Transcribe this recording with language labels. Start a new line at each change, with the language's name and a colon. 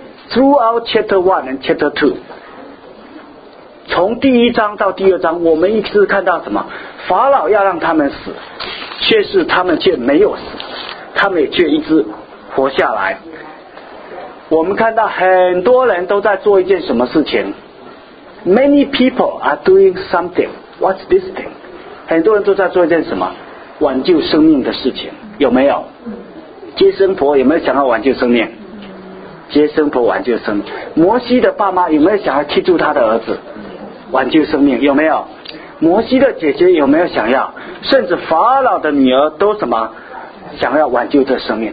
English: Throughout chapter 1 and chapter 2，
Chinese: 从第一章到第二章，我们一直看到什么？法老要让他们死，却是他们却没有死，他们却一直活下来。我们看到很多人都在做一件什么事情？
English: Many people are doing something. What's this thing?
Chinese: 很多人都在做一件什么？挽救生命的事情，有没有？接生婆有没有想要挽救生命？接生婆挽救生命。摩西的爸妈有没有想要记住他的儿子？挽救生命，有没有？摩西的姐姐有没有想要？甚至法老的女儿都什么想要挽救这生命？